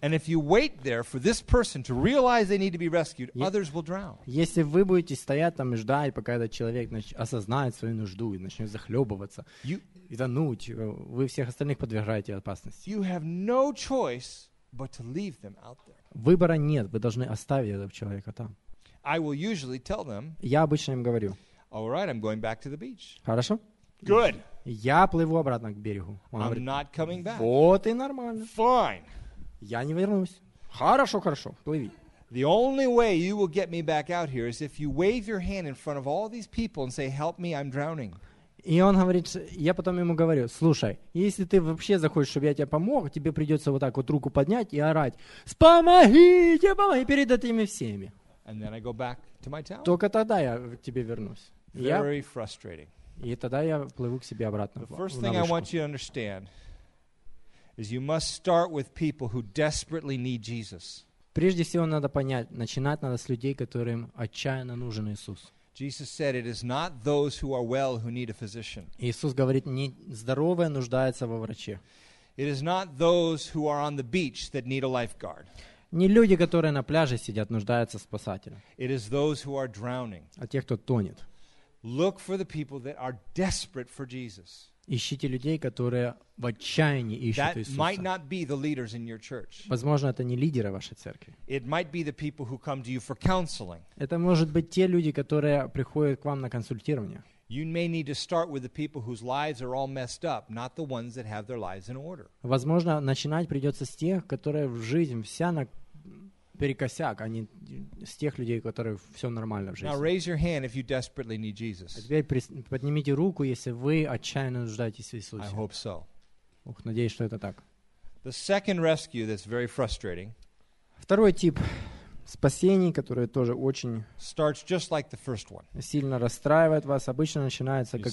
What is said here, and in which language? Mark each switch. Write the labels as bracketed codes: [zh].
[en] And if you wait there for this person to realize they need to be rescued, others will drown. [ru] Если вы будете стоять там и ждать, пока этот человек осознает свою нужду и начнет захлебываться и тонуть, вы всех остальных подвергаете опасности. [en] You have no choice but to leave them out there. [ru] Выбора нет, вы должны оставить этого человека там. [en] I will usually tell them. [ru] Я обычно им говорю. [en] All right, I'm going back to the beach. [ru] Хорошо. [en] Good. [ru] Я плыву обратно к берегу. Он говорит, [en] I'm not coming back. [ru] Вот и нормально. [en] Fine. [ru] Я не вернусь. Хорошо, хорошо. Плыви. [en] The only way you will get me back out here is if you wave your hand in front of all these people and say, "Help me, I'm drowning." [ru] И он говорит, я потом ему говорю, слушай, если ты вообще захочешь, чтобы я тебе помог, тебе придется вот так вот руку поднять и орать, "Помогите, помогите!" перед этими всеми. [en] And then I go back to my town. [ru] Только тогда я к тебе вернусь. [en] Very frustrating. [ru] И тогда я плыву к себе обратно. [en] The first thing I want you to understand is you must start with people who desperately need Jesus. [ru] Прежде всего надо понять, начинать надо с людей, которым отчаянно нужен Иисус. [en] Jesus said it is not those who are well who need a physician. [ru] Иисус говорит, не здоровые нуждаются во враче. [en] It is not those who are on the beach that need a lifeguard. [ru] Не люди, которые на пляже сидят, нуждаются в спасателе. [en] It is those who are drowning. [ru] А те, кто тонет. [en] Look for the people that are desperate for Jesus. [ru] Ищите людей, которые в отчаянии ищут [en] that [ru] Иисуса. [en] Might not be the leaders in your church. [ru] Возможно, это не лидеры вашей церкви. [en] It might be the people who come to you for counseling. [ru] Это может быть те люди, которые приходят к вам на консультирование. [en] You may need to start with the people whose lives are all messed up, not the ones that have their lives in order. [ru] Возможно, начинать придется с тех, которые в жизнь вся на перекосяк, а не с тех людей, у которых все нормально в жизни. [en] Now raise your hand if you desperately need Jesus. [ru] Поднимите руку, если вы отчаянно нуждаетесь в Иисусе. [en] I hope so. [ru] Ух, надеюсь, что это так. [en] The second rescue that's very frustrating. [ru] Второй тип спасений, которые тоже очень [en] just like the first one. [ru] Сильно расстраивают вас, обычно начинается, как